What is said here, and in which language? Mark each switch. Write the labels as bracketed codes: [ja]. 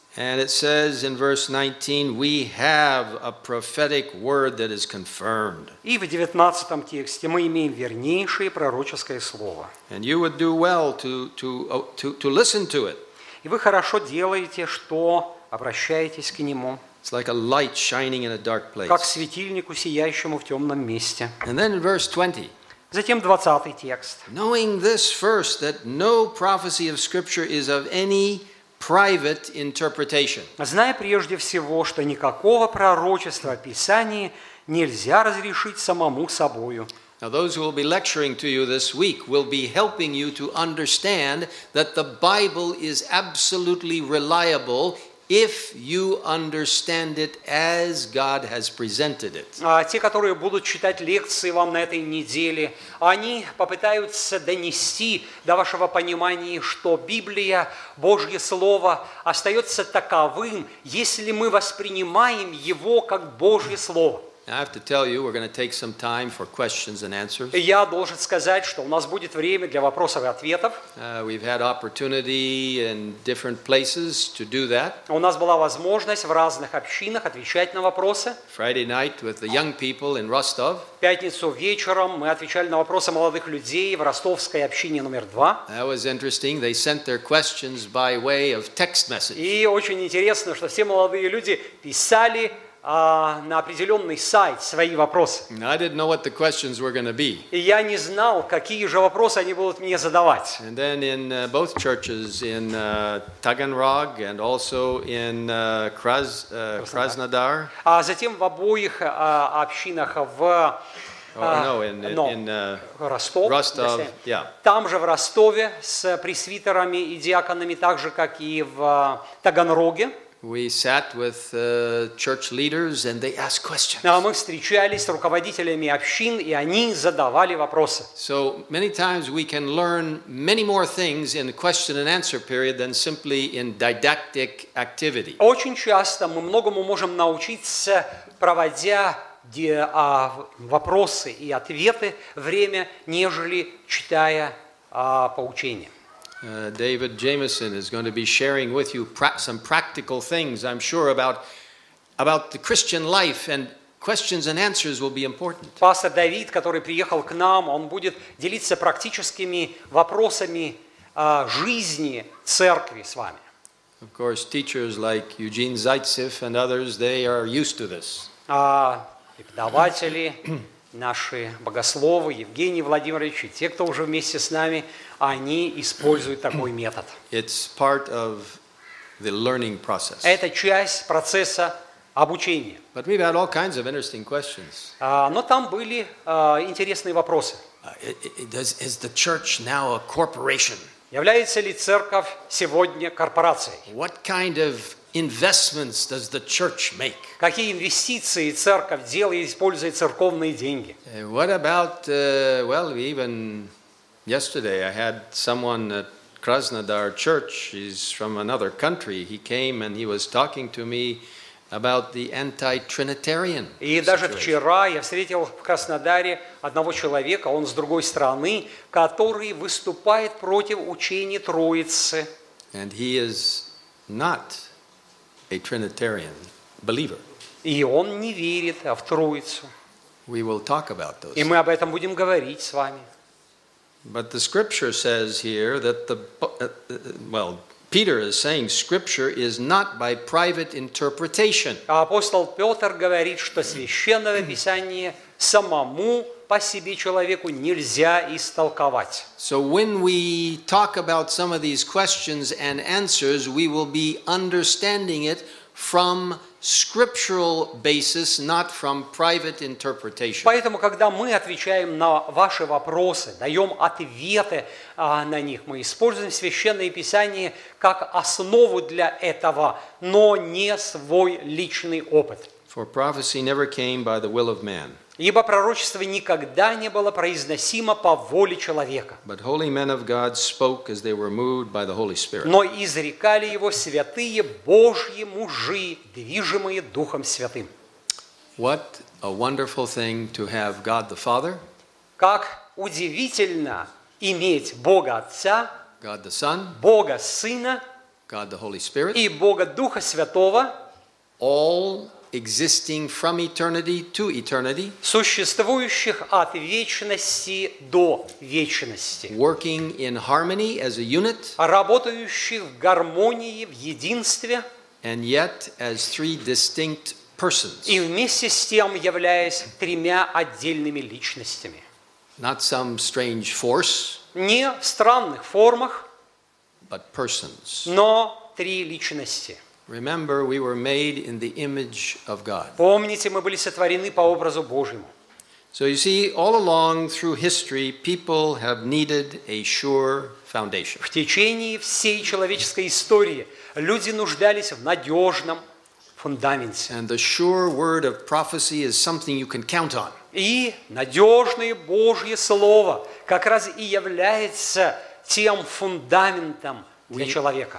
[en] And it says in verse 19, we have a prophetic word that is confirmed. [ru] И в 19 тексте мы имеем вернейшее пророческое слово. [en] And you would do well to listen to it. [ru] И вы хорошо делаете, что обращаетесь к нему. [en] It's like a light shining in a dark place. [ru] Как светильнику, сияющему в темном месте. [en] And then in verse 20. [ru] Затем 20 текст. [en] Knowing this first, that no prophecy of Scripture is of any private interpretation. [ru] Зная прежде всего, что никакого пророчества в Писании нельзя разрешить самому собою. [en] Now those who will be lecturing to you this week will be helping you to understand that the Bible is absolutely reliable if you understand it as God has presented it. [ru] Те, которые будут читать лекции вам на этой неделе, они попытаются донести до вашего понимания, что Библия, Божье Слово, остается таковым, если мы воспринимаем его как Божье Слово. [en] I have to tell you, we're going to take some time for questions and answers. [ru] Я должен сказать, что у нас будет время для вопросов и ответов. [en] We've had opportunity in different places to do that. [ru] У нас была возможность в разных общинах отвечать на вопросы. [en] Friday night with the young people in Rostov. [ru] Пятницу вечером мы отвечали на вопросы молодых людей в Ростовской общине номер 2. [en] That was interesting. They sent their questions by way of text message. [ru] И очень интересно, что все молодые люди писали на определенный сайт свои вопросы. [en] I didn't know what the questions were going to be. [ru] И я не знал, какие же вопросы они будут мне задавать. [en] And then in both churches, in Taganrog and also in Krasnodar. [ru] А затем в обоих общинах в Ростов. Ростов, yeah. Там же в Ростове с пресвитерами и диаконами, так же, как и в Таганроге. [en] We sat with church leaders, and they asked questions. [ru] Мы встречались с руководителями общин, и они задавали вопросы. [en] So many times we can learn many more things in the question and answer period than simply in didactic activity. [ru] Очень часто мы многому можем научиться, проводя вопросы и ответы время, нежели читая поучение. [en] David Jamieson is going to be sharing with you some practical things, I'm sure, about the Christian life, and questions and answers will be important. [ru] Пастор Давид, который приехал к нам, он будет делиться практическими вопросами жизни церкви с вами. [en] Of course, teachers like Eugene Zaitsev and others, they are used to this. [ru] Преподаватели, наши богословы, Евгений Владимирович, и те, кто уже вместе с нами, они используют такой метод. [en] It's part of the learning process. [ru] Это часть процесса обучения. [en] But we've had all kinds of interesting questions. [ru] Но там были интересные вопросы. [en] Is the church now a corporation? [ru] Является ли церковь сегодня корпорацией? [en] What kind of investments does the church make? [ru] Какие инвестиции церковь делает, используя церковные деньги? [en] What about, even yesterday I had someone at Krasnodar Church, he's from another country, he came and he was talking to me about the anti-trinitarian situation. [ru] И даже вчера я встретил в Краснодаре одного человека, он с другой страны, который выступает против учения Троицы. [en] And he is not a Trinitarian believer. [ru] И он не верит в Троицу. [en] We will talk about those. [ru] И мы об этом будем говорить с вами. [en] But the scripture says here that the well, Peter is saying scripture is not by private interpretation. [ru] Апостол Пётр говорит, что священное писание самому по себе человеку нельзя истолковать. [en] So when we talk about some of these questions and answers, we will be understanding it from scriptural basis, not from private interpretation. [ru] Поэтому, когда мы отвечаем на ваши вопросы, даем ответы на них, мы используем Священное Писание как основу для этого, но не свой личный опыт. [en] For prophecy never came by the will of man. [ru] Ибо пророчество никогда не было произносимо по воле человека. Но изрекали его святые Божьи мужи, движимые Духом Святым. [en] What a wonderful thing to have God the Father. [ru] Как удивительно иметь Бога Отца, [en] God the Son, [ru] Бога Сына, [en] God the Holy Spirit, [ru] и Бога Духа Святого. [en] All existing from eternity to eternity, [ru] существующих от вечности до вечности, [en] working in harmony as a unit, [ru] работающих в гармонии, в единстве, [en] and yet as three distinct persons, [ru] и вместе с тем являясь тремя отдельными личностями, [en] not some strange force, [ru] не в странных формах, [en] but persons, [ru] но три личности. [en] Remember, we were made in the image of God. [ru] Помните, мы были сотворены по образу Божьему. [en] So you see, all along through history, people have needed a sure foundation. [ru] В течение всей человеческой истории люди нуждались в надежном фундаменте. [en] And the sure word of prophecy is something you can count on. [ru] И надежное Божье слово как раз и является тем фундаментом для человека.